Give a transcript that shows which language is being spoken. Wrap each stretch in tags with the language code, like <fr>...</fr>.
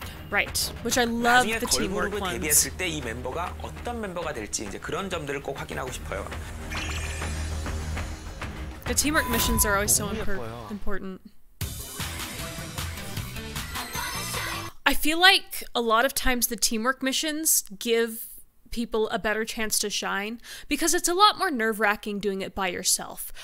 <en>Right, which I love the teamwork ones.</en> <ko>때 이 멤버가 어떤 멤버가 될지 이제 그런 점들을 꼭 확인하고 싶어요.</ko> <en>The teamwork missions are always so important. I feel like a lot of times the teamwork missions give people a better chance to shine because it's a lot more nerve-wracking doing it by yourself.</en>